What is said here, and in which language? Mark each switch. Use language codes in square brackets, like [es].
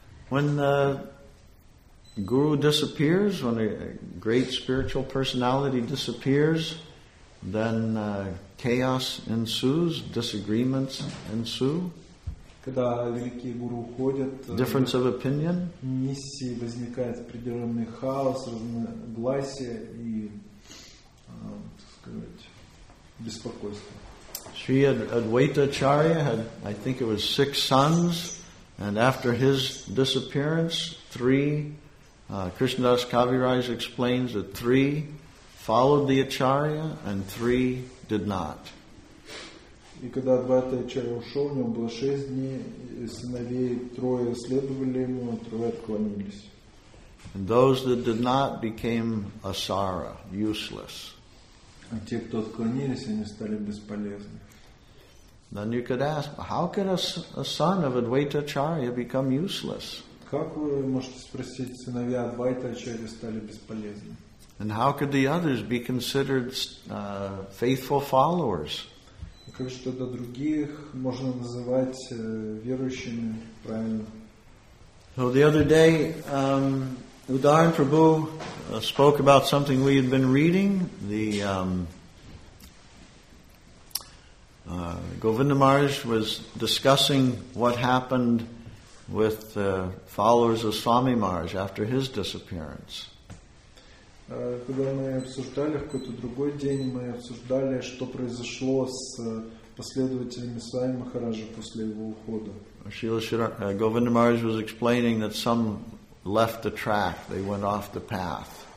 [en] When the guru disappears, when a great spiritual personality disappears, then chaos ensues, disagreements ensue. [ru] Когда великие гуру уходят, [en] difference of opinion. [ru] Миссии возникает определенный хаос, разногласия и, так сказать, беспокойство. [en] Sri Advaita Acharya had, I think it was 6 sons, and after his disappearance, 3, Krishnadas Kaviraj explains that 3 followed the Acharya and 3 did not. [ru] И когда Адвайта Ачарья ушел, у него было 6 дней, сыновей, 3 следовали ему, 3 отклонились. А те, кто отклонились, они стали бесполезны. [en] Then you could ask, how can a son of Advaita Acharya become useless? [ru] Как вы можете спросить, сыновья Адвайта Ачарья стали бесполезны? [en] And how could the others be considered faithful followers? [ru] Как же тогда других можно называть верующими, правильно? [en] So the other day, Udayan Prabhu spoke about something we had been reading, the Govinda Maharaj was discussing what happened with the followers of Swami Maharaj after his disappearance. [ru] Когда мы обсуждали, в какой-то другой день мы обсуждали, что произошло с последователями Свами Махараджа после его ухода. [en] Govinda Maharaj was explaining that some left the track, they went off the path.